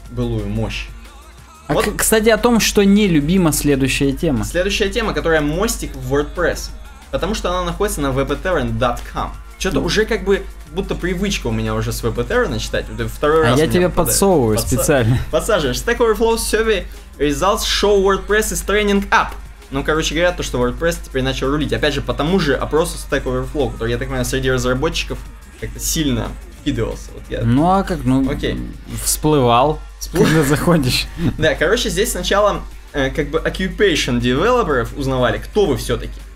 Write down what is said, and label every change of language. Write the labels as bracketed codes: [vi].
[ru] Былую мощь. А вот. Кстати, о том, что нелюбима следующая тема. Следующая тема, которая мостик в WordPress. Потому что она находится на webtavern.com. Что-то уже как бы, будто привычка у меня уже с webtavern читать. Это второй а раз я тебе подсовываю специально. Подсаживаешь. [en] Stack Overflow survey results show WordPress is trending up. [ru] Ну, короче говоря, то, что WordPress теперь начал рулить. Опять же, по тому же опросу Stack Overflow, который, я так понимаю, среди разработчиков как-то сильно вкидывался. Вот я... Ну, а как, ну, окей. Всплывал, когда заходишь. Да, короче, здесь сначала как бы occupation девелоперов узнавали, кто вы все-таки.